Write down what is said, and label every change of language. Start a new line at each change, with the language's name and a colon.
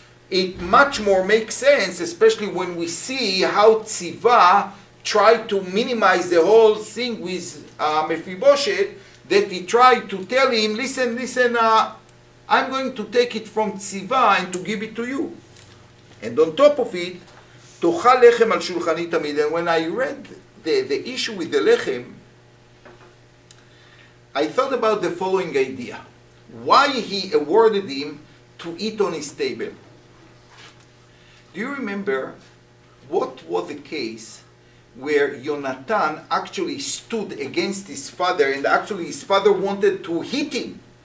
English: It much more makes sense, especially when we see how Tziva tried to minimize the whole thing with Mephibosheth, that he tried to tell him, listen, I'm going to take it from Tziva and to give it to you.
Hebrew: And on top of it, תאכל לחם על שולחני תמיד.
English: And when I read the issue with the lechem, I thought about the following idea. Why he awarded him to eat on his table. Do you remember what was the case where Yonatan actually stood against his father and actually his father wanted to hit him?